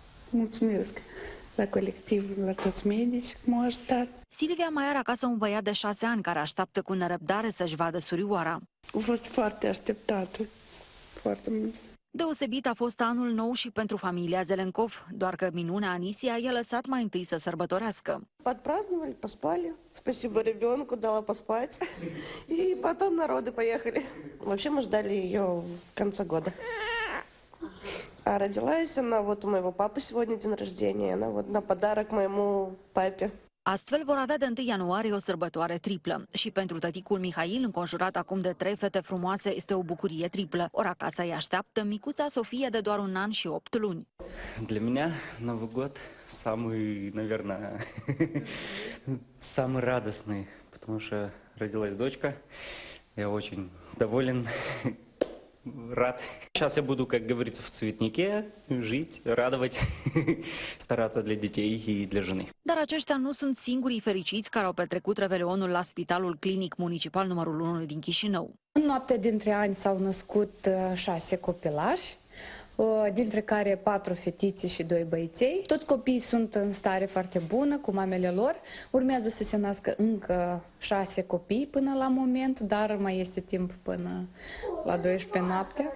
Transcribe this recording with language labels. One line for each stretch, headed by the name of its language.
Romanian: Mulțumesc la colectiv, la toți medici, m-au ajutat. Silvia mai are acasă un băiat de 6 ani care așteaptă cu nerăbdare să-și vadă surioara. A fost foarte așteptată. Foarte mult. Deosebit a fost anul nou și pentru familia Zelenkov, doar că minunea Anisia i-a lăsat mai întâi să sărbătorească.
Russian: Подпраздновали, поспали. Спасибо ребенку, дала поспать. И потом на роды поехали. Вообще мы ждали ее в конце года. А родилась она вот у моего папы сегодня день рождения. Она вот на подарок моему папе.
Romanian: Astfel vor avea de 1 ianuarie o sărbătoare triplă. Și pentru tăticul Mihail, înconjurat acum de 3 fete frumoase, este o bucurie triplă. Ora casa îi așteaptă micuța Sofia de doar 1 an și 8 luni.
Russian: Для меня Новый год самый, наверное, самый радостный, потому что родилась дочка. Я очень доволен. Рад. Сейчас я буду, как говорится, в цветнике жить, радовать, стараться для детей и для жены.
Romanian: Dar aceștia nu sunt singurii fericiți care au petrecut Revelionul la Spitalul Clinic Municipal numărul 1 din Chișinău. În noaptea dintre ani s-au născut 6 copilași, dintre care 4 fetițe și 2 băiței. Toți copiii sunt în stare foarte bună cu mamele lor. Urmează să se nască încă 6 copii până la moment, dar mai este timp până la 12 noapte.